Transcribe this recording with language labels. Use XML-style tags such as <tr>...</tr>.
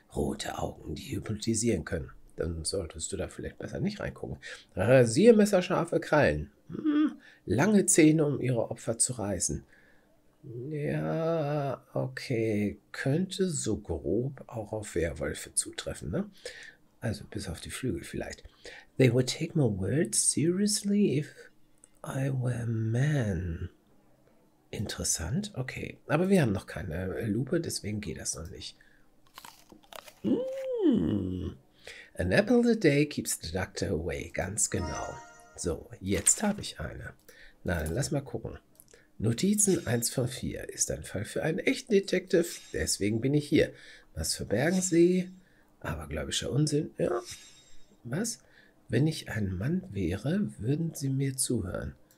<de>Rote Augen, die hypnotisieren können. Dann solltest du da vielleicht besser nicht reingucken. Rasiermesserscharfe Krallen. Lange Zähne, um ihre Opfer zu reißen. Ja, okay. Könnte so grob auch auf Werwölfe zutreffen, ne? Also bis auf die Flügel vielleicht.</de> <en>They would take my words seriously if I were a man.</en> <de>Interessant, okay. Aber wir haben noch keine Lupe, deswegen geht das noch nicht.</de> <en>An apple a day keeps the doctor away.</en> <de>Ganz genau. So, jetzt habe ich eine. Na, dann lass mal gucken. Notizen 1 von 4 ist ein Fall für einen echten Detective. Deswegen bin ich hier. Was verbergen Sie? Abergläubischer Unsinn. Ja. Was? Wenn ich ein Mann wäre, würden Sie mir zuhören.</de>